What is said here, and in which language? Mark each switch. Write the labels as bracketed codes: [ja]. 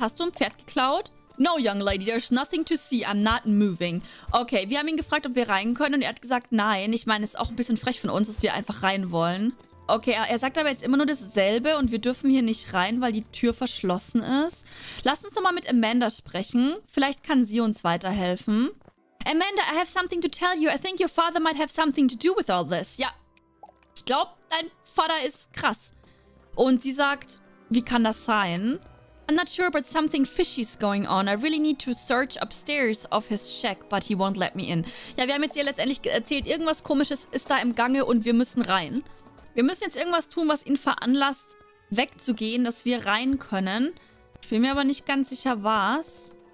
[de] Hast du ein Pferd geklaut? [en] No, young lady. There's nothing to see. I'm not moving. [de] Okay, wir haben ihn gefragt, ob wir rein können. Und er hat gesagt, nein. Ich meine, es ist auch ein bisschen frech von uns, dass wir einfach rein wollen. Okay, er sagt aber jetzt immer nur dasselbe und wir dürfen hier nicht rein, weil die Tür verschlossen ist. Lass uns nochmal mit Amanda sprechen. Vielleicht kann sie uns weiterhelfen. [en] Amanda, I have something to tell you. I think your father might have something to do with all this. [de] Ja, ich glaube, dein Vater ist krass. Und sie sagt, wie kann das sein? [en] I'm not sure, but something fishy is going on. I really need to search upstairs of his shack, but he won't let me in. [de] Ja, wir haben jetzt ihr letztendlich erzählt, irgendwas Komisches ist da im Gange und wir müssen rein. Wir müssen jetzt irgendwas tun, was ihn veranlasst, wegzugehen, dass wir rein können. Ich bin mir aber nicht ganz sicher, was.